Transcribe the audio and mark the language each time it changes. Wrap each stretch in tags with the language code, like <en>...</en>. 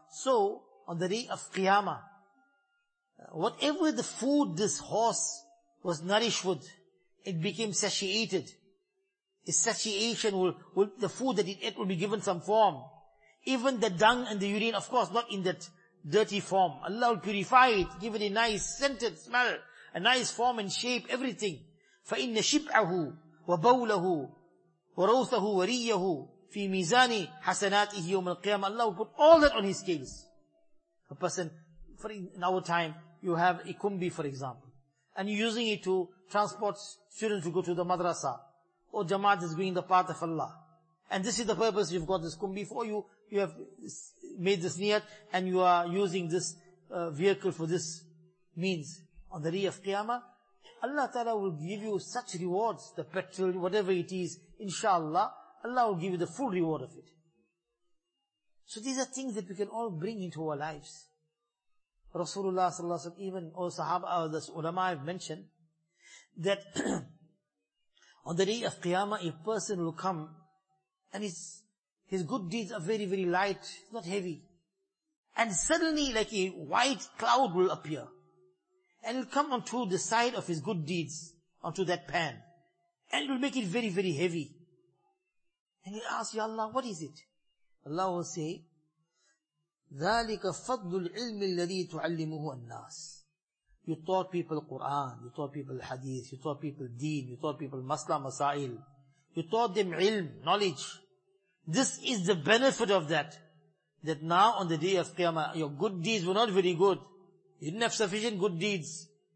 <en>So, on the day of Qiyamah, whatever the food this horse was nourished with, it became satiated. Its satiation will the food that it ate will be given some form. Even the dung and the urine, of course, not in that dirty form. Allah will purify it, give it a nice scented smell, a nice form and shape, everything.</en> <ar>فَإِنَّ شِبْعَهُ وَبَوْلَهُ وَرَوْثَهُ وَرِيَّهُ فِي مِزَانِ حَسَنَاتِهِ يَوْمَ الْقِيَامَةِ</ar> <en>Allah will put all that on his scales. A person, for in our time, you have a kumbi, for example, and you're using it to transport students to go to the madrasa, or jamaat is going the path of Allah. And this is the purpose you've got this kumbi for you. You have made this niyat, and you are using this vehicle for this means. On the day of Qiyamah, Allah Ta'ala will give you such rewards, the petrol, whatever it is, inshallah, Allah will give you the full reward of it. So these are things that we can all bring into our lives. Rasulullah sallallahu alaihi wasallam, even all sahaba, the ulama have mentioned that on the day of Qiyamah, a person will come and his good deeds are very, very light, not heavy. And suddenly like a white cloud will appear. And it will come onto the side of his good deeds, onto that pan. And it will make it very, very heavy. And he'll ask, Ya Allah, what is it? Allah will say,</en> <ar>ذَلِكَ فَضْلُ الْعِلْمِ الَّذِي تُعَلِّمُهُ النَّاسِ.</ar> <en>You taught people Quran, you taught people Hadith, you taught people Deen, you taught people Masla Masail. You taught them ilm, knowledge. This is the benefit of that. That now on the day of Qiyamah, your good deeds were not very good. You didn't have sufficient good deeds.</en>